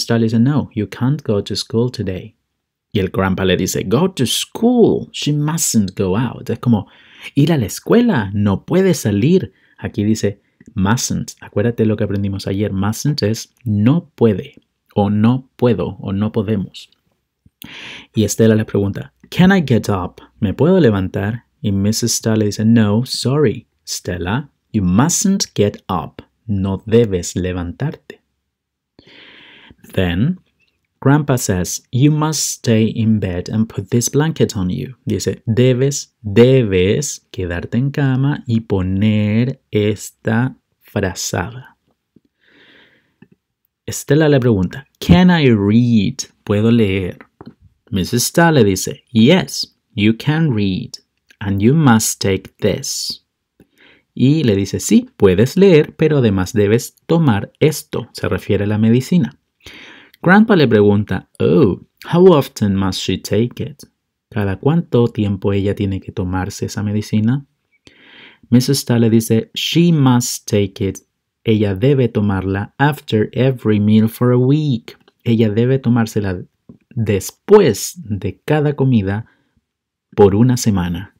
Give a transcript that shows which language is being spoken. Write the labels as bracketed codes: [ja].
[en] Starr dice, no, you can't go to school today. [es] Y el grandpa le dice, [en] go to school, she mustn't go out. [es] Es como, ir a la escuela, no puede salir. Aquí dice, mustn't. Acuérdate lo que aprendimos ayer. Mustn't es no puede, o no puedo, o no podemos. Y Stella le pregunta, [en] can I get up? [es] ¿Me puedo levantar? Y Mrs. [en] Starr le dice, no, sorry, Stella, you mustn't get up. [es] No debes levantarte. [en] Then, Grandpa says, you must stay in bed and put this blanket on you. [es] Dice, debes quedarte en cama y poner esta frazada. Stella le pregunta, [en] can I read? [es] ¿Puedo leer? Mrs. [en] Starr le dice, yes, you can read and you must take this. [es] Y le dice, sí, puedes leer, pero además debes tomar esto. Se refiere a la medicina. [en] Grandpa le pregunta, oh, how often must she take it? [es] ¿Cada cuánto tiempo ella tiene que tomarse esa medicina? Mrs. [en] Starr [es] le dice, [en] she must take it. [es] Ella debe tomarla [en] after every meal for a week. [es] Ella debe tomársela después de cada comida por una semana.